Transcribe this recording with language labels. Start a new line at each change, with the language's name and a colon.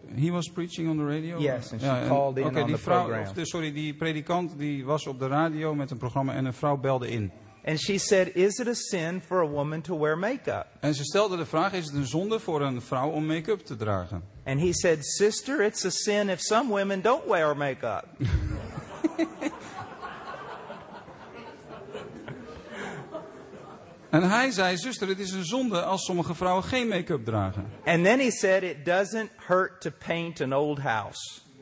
English: He was preaching on the radio. Yes, and she called in on the program.
Dutch: Die predikant die was op de radio met een programma en een vrouw belde in.
English: And she said, "Is it a sin for a woman to wear makeup?"
Dutch: En ze stelde de vraag: is het een zonde voor een vrouw om make-up te dragen?
English: And he said, "Sister, it's a sin if some women don't wear makeup."
Dutch: En hij zei, zuster, het is een zonde als sommige vrouwen geen make-up dragen.
English: And then he said, it doesn't hurt to paint an old house.